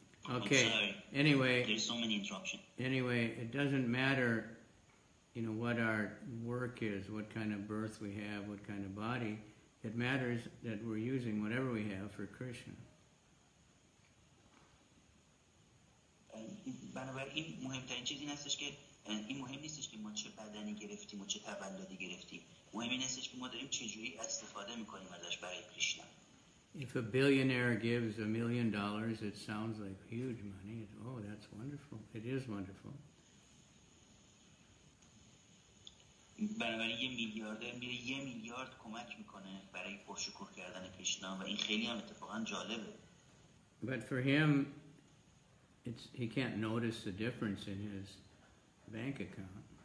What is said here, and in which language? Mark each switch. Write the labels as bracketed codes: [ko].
[en] Okay, anyway, there's so many interruptions. Anyway, it doesn't matter, you know, what our work is, what kind of birth we have, what kind of body. It matters that we're using whatever we have for Krishna. [fa] بنابراین مهمترین چیز این هستش که این مهم نیستش که ما چه بدنی گرفتیم و چه تولدی گرفتیم، مهم این هستش که ما داریم چجوری استفاده میکنیم ازش برای کریشنا. [en] If a billionaire gives $1 million, it sounds like huge money. Oh, that's wonderful. It is wonderful. [fa] بنابراین یه میلیاردر میره یه میلیارد کمک میکنه برای پرشکر کردن کریشنا و این خیلی هم اتفاقا جالبه. [en] But for him, it's, he can't notice the difference in his bank account.